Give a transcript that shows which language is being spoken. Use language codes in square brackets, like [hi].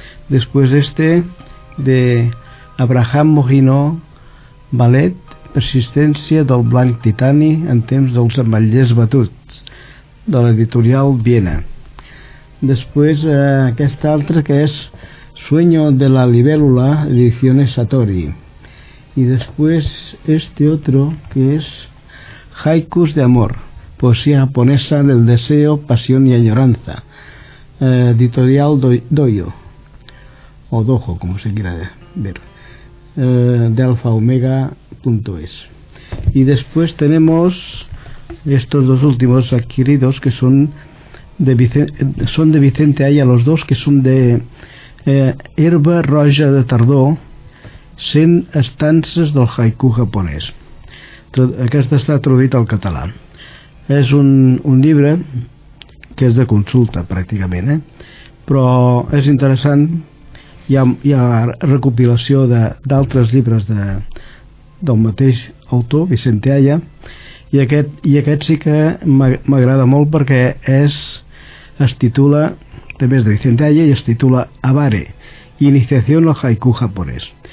[es] Después este, de Abraham Mojino, Ballet, Persistència del Blanc Titani en temps dels ametllers batuts, de l'editorial Viena. [ca] Després aquesta altra, que és Sueño de la Libélula, Ediciones Satori. [es] Y después este otro, que es Haikus de Amor, poesía japonesa del deseo, pasión y añoranza, editorial Doyo, o Dojo, como se quiera ver, de alfaomega.es. Y después tenemos estos dos últimos adquiridos, que son de Vicente Aya, los dos, que son de Herba Roja de Tardó, 100 estances del haiku japonès. [ca] Aquest està traduït al català. És un llibre que és de consulta, pràcticament, eh? Però és interessant. Hi ha recopilació d'altres llibres del mateix autor, Vicente Aya, i aquest sí que m'agrada molt, perquè es titula, també és de Vicente Aya, i es titula Abare, Iniciació al haiku japonès.